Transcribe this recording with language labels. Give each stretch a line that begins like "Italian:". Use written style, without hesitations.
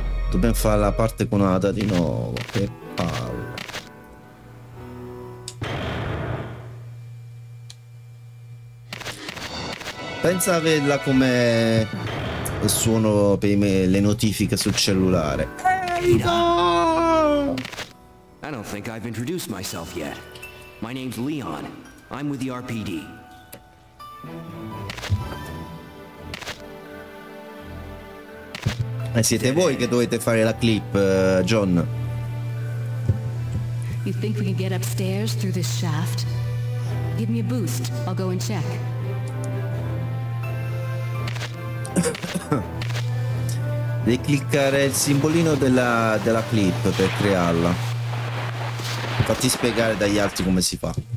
Italian: Dobbiamo fare la parte con Ada di nuovo. Che palle. Pensa a vederla come il suono per me, le notifiche sul cellulare. Ada!
English: I don't think I've introduced myself yet. My name's Leon. I'm with the RPD.
Italian: Ma siete voi che dovete fare la clip, John.
English: You think we can get upstairs through this shaft? Give me a boost, I'll go and check.
Italian: Devi cliccare il simbolino della clip per crearla. Fatti spiegare dagli altri come si fa.